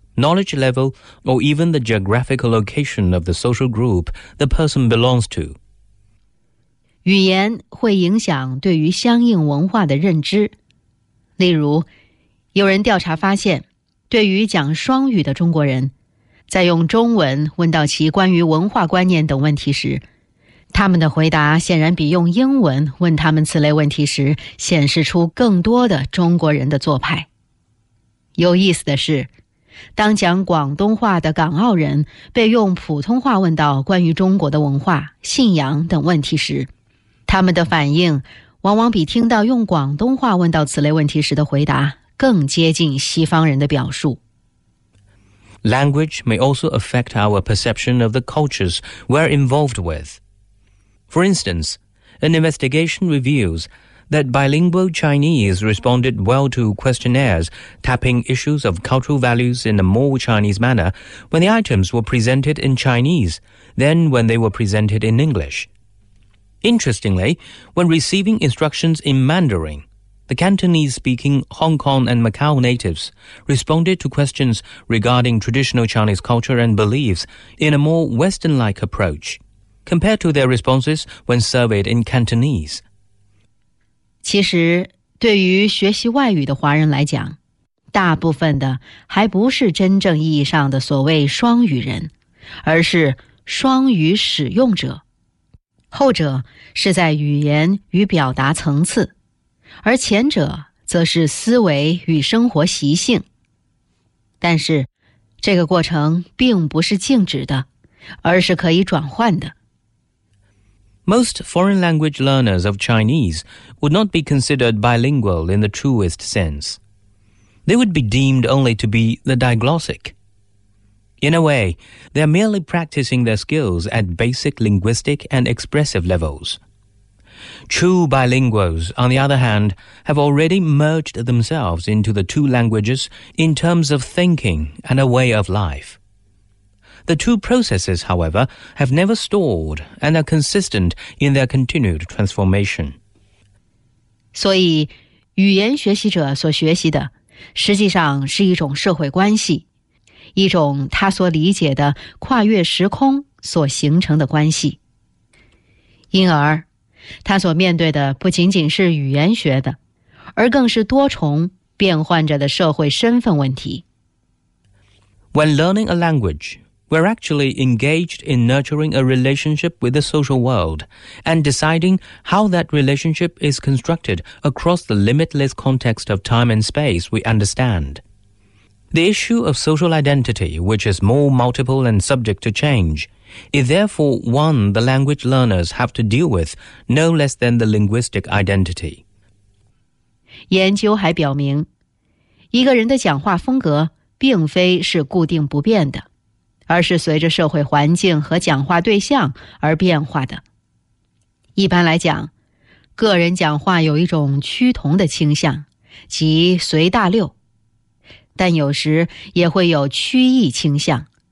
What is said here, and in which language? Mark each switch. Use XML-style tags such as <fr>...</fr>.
<en>knowledge level, or even the geographical location of the social group the person belongs to.</en> <zh>语言会影响对于相应文化的认知。例如，有人调查发现，对于讲双语的中国人，在用中文问到其关于文化观念等问题时，他们的回答显然比用英文问他们此类问题时显示出更多的中国人的做派。有意思的是，当讲广东话的港澳人被用普通话问到关于中国的文化、信仰等问题时，他们的反应往往比听到用广东话问到此类问题时的回答更接近西方人的表述。</zh> <en>Language may also affect our perception of the cultures we're involved with. For instance, an investigation reveals that bilingual Chinese responded well to questionnaires tapping issues of cultural values in a more Chinese manner when the items were presented in Chinese than when they were presented in English. Interestingly, when receiving instructions in Mandarin,The Cantonese-speaking Hong Kong and Macau natives responded to questions regarding traditional Chinese culture and beliefs in a more Western-like approach, compared to their responses when surveyed in Cantonese.</en> <zh>其实，对于学习外语的华人来讲，大部分的还不是真正意义上的所谓双语人，而是双语使用者。后者是在语言与表达层次。而前者则是思维与生活习性。但是，这个过程并不是静止的，而是可以转换的。</zh> <en>Most foreign language learners of Chinese would not be considered bilingual in the truest sense. They would be deemed only to be the diglossic. In a way, they are merely practicing their skills at basic linguistic and expressive levels. True bilinguals, on the other hand, have already merged themselves into the two languages in terms of thinking and a way of life. The two processes, however, have never stalled and are consistent in their continued transformation.</en> <zh>所以，语言学习者所学习的实际上是一种社会关系，一种他所理解的跨越时空所形成的关系。因而他所面对的不仅仅是语言学的，而更是多重变换着的社会身份问题。</zh> <en>When learning a language, we're actually engaged in nurturing a relationship with the social world and deciding how that relationship is constructed across the limitless context of time and space we understand. The issue of social identity, which is more multiple and subject to change,is therefore one the language learners have to deal with no less than the linguistic identity.</en> <zh>研究还表明，一个人的讲话风格并非是固定不变的，而是随着社会环境和讲话对象而变化的。一般来讲，个人讲话有一种趋同的倾向，即随大流，但有时也会有趋异倾向。</zh>